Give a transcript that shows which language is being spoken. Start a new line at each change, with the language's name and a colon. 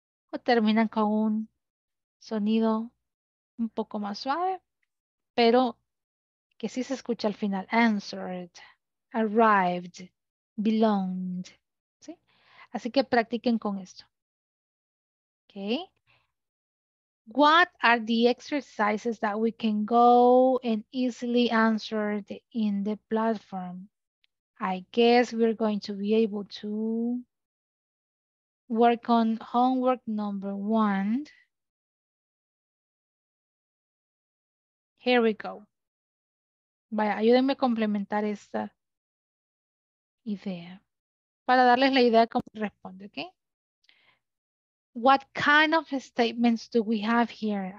Spanish: O terminan con un sonido un poco más suave, pero que sí se escucha al final,
English: answered, arrived, belonged,
Spanish: ¿sí? Así que practiquen con esto. Okay.
English: What are the exercises that we can go and easily answer in the platform? I guess we're going to be able to work on homework number one. Here we go.
Spanish: Vaya, ayúdenme a complementar esta idea para darles la idea de cómo responde, ¿ok?
English: What kind of statements do we have here?